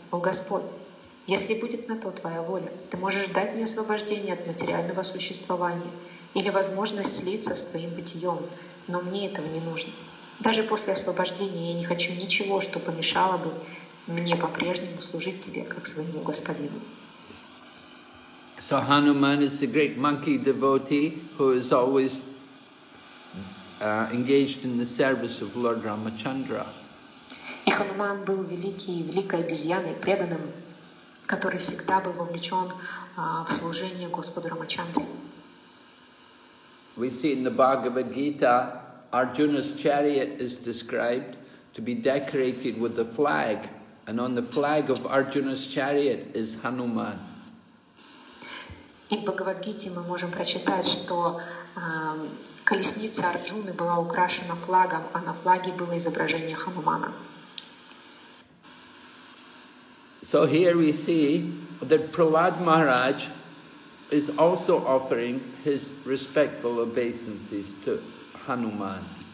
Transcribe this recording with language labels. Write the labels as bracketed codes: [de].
[ru] «О Господь, если будет на то твоя воля, ты можешь дать мне освобождение от материального существования или возможность слиться с твоим бытием, но мне этого не нужно. Даже после освобождения я не хочу ничего, что помешало бы мне по-прежнему служить тебе, как своему господину». [en] So Hanuman is the great monkey devotee who is always engaged in the service of Lord Ramachandra. [ru] И Хануман был великой обезьяной, преданным, который всегда был вовлечен в служение Господу Рамачандре. [en] We see in the Bhagavad Gita, Arjuna's chariot is described to be decorated with a flag, and on the flag of Arjuna's chariot is Hanuman. [ru] И в Бхагавад-гите мы можем прочитать, что колесница Арджуны была украшена флагом, а на флаге было изображение Ханумана. [en] So here we see that Prahlad Maharaj is also offering his respectful obeisances to Hanuman.